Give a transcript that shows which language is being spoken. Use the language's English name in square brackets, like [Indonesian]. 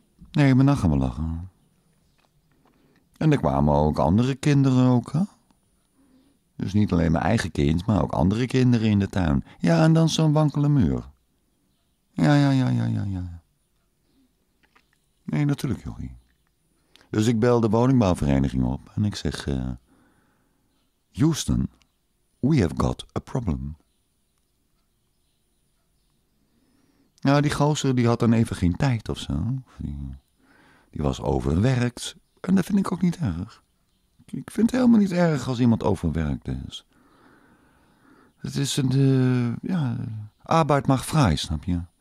[Dutch] Nee, maar dan gaan we lachen. En er kwamen ook andere kinderen ook. Hè? Dus niet alleen mijn eigen kind, maar ook andere kinderen in de tuin. Ja, en dan zo'n wankele muur. Ja. Nee, natuurlijk, jochie. Dus ik bel de woningbouwvereniging op en ik zeg... [English] Houston, we have got a problem. [Dutch] Nou, die gozer die had dan even geen tijd of zo. Die was overwerkt. En dat vind ik ook niet erg. Ik vind het helemaal niet erg als iemand overwerkt is. Het is een... arbeid mag vrij, snap je?